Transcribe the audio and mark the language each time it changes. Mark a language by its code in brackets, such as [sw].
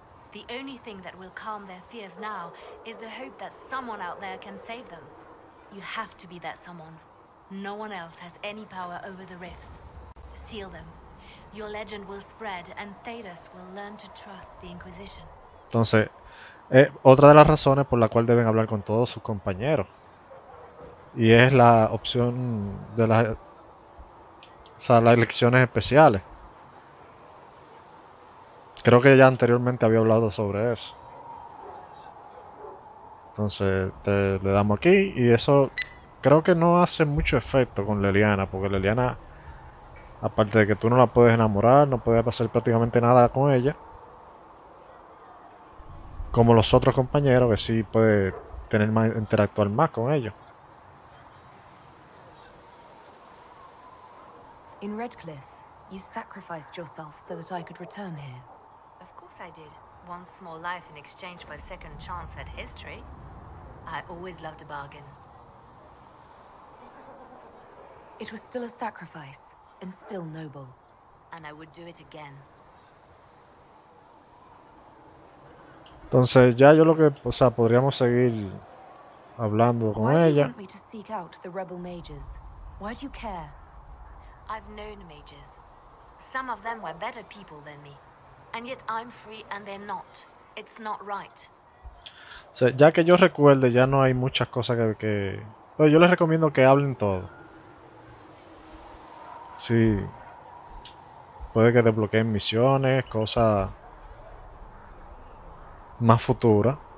[en] The only thing that will calm their fears now is the hope that someone out there can save them. You have to be that someone. No one else has any power over the rifts. Seal them. Your legend will spread and Thedas will learn to trust the Inquisition. [es] Entonces, otra de las razones por la cual deben hablar con todos sus compañeros. Y es la opción de las, o sea, las elecciones especiales. Creo que ya anteriormente había hablado sobre eso. Entonces, le damos aquí. Y eso creo que no hace mucho efecto con Liliana. Porque Liliana, aparte de que tú no la puedes enamorar, no puedes hacer prácticamente nada con ella. Como los otros compañeros, que sí puede tener más, interactuar más con ellos. [en] En Redcliffe, you sacrificed yourself so that I could return here. I did. One small life in exchange for a second chance at history. I always loved a bargain. It was still a sacrifice, and still noble. And I would do it again. [es] Entonces, ya yo lo que, o sea, podríamos seguir hablando con ella. [en] Why do you want me to seek out the rebel mages? Why do you care? I've known mages. Some of them were better people than me. And yet I'm free and they're not. It's not right. [es] O sea, ya que yo recuerde, ya no hay muchas cosas que... Pero yo les recomiendo que hablen todo. Sí. Puede que desbloqueen misiones, cosas más futuras.